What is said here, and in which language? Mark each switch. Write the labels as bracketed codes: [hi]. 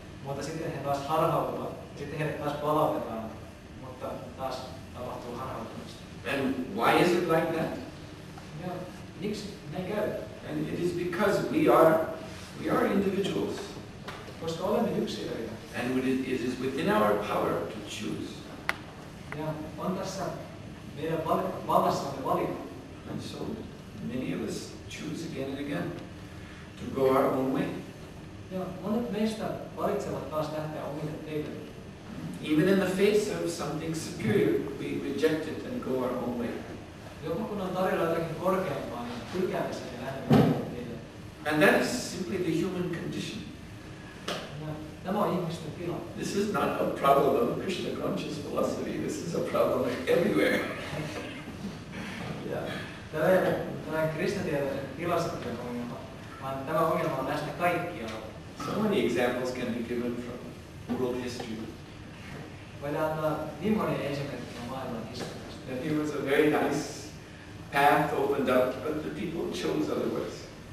[fi] Mutta sitten he taas harhautuvat, sitten heidät taas palautetaan, mutta taas tapahtuu harhautumista. [en] And why is it like that? And it is because we are individuals. [fi] Koska olemme yksilöitä. [en] And it is within our power to choose. [fi] Ja on tässä meidän vallassamme valita. [en] And so many of us choose again and again to go our own way. [fi] Ja monet meistä valitsevat taas lähteä omille teille. [en] Even in the face of something superior, we reject it and go our own way. [fi] Joku kun on tarjolla jotakin korkeampaa, niin pyrkäämme sen ja lähdemme teille. [en] And that is simply the human condition. [fi] No, tämä on ihmisten tila. [en] This is not a problem of Krishna conscious philosophy. This is a problem everywhere. [fi] Tämä ei kristatieteen filosofian ongelma, vaan tämä ongelma on läsnä kaikkialla. [en] So many examples can be given from world history. [fi] Voidaan antaa niin monia esimerkkejä maailman historiasta. [en] That it was a very nice path opened up, but the people chose otherwise.